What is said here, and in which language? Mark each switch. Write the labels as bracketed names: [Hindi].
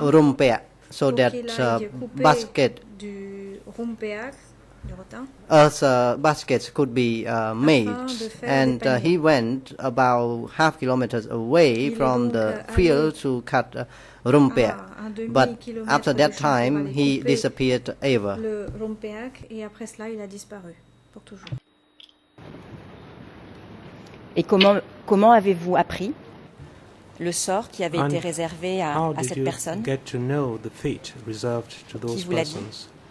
[English] rumpia, so that basket [French] du rumpia, [English] as baskets could be made, and he went about half kilometers away from the field to cut rumpia. But after that time, he disappeared ever. [French] Le rumpia, et après cela, il a disparu pour toujours. Et comment avez-vous appris le sort qui avait été réservé à cette personne? [English] Get to know the fate reserved to those persons.